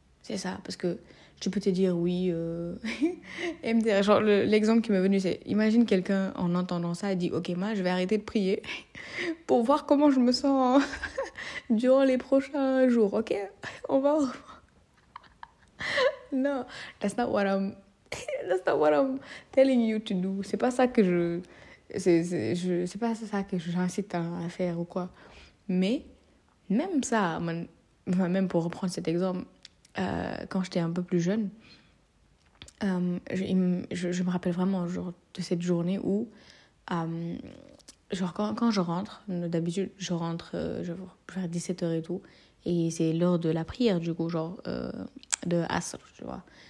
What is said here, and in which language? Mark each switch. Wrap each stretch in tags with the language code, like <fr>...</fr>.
<fr>C'est ça, parce que tu peux te dire, oui, MDR, genre, l'exemple qui m'est venu, c'est, imagine quelqu'un, en entendant ça, dit, ok, moi, je vais arrêter de prier pour voir comment je me sens durant les prochains jours, ok? On va au revoir. Non,</fr> <en>that's not what I'm telling you to do.</en> <fr>C'est pas ça que j'incite à faire ou quoi. Mais même ça, même pour reprendre cet exemple, quand j'étais un peu plus jeune, je me rappelle vraiment genre, de cette journée où, genre quand je rentre, d'habitude je rentre vers 17h et tout, et c'est l'heure de la prière du coup, genre de Asr, tu vois.</fr>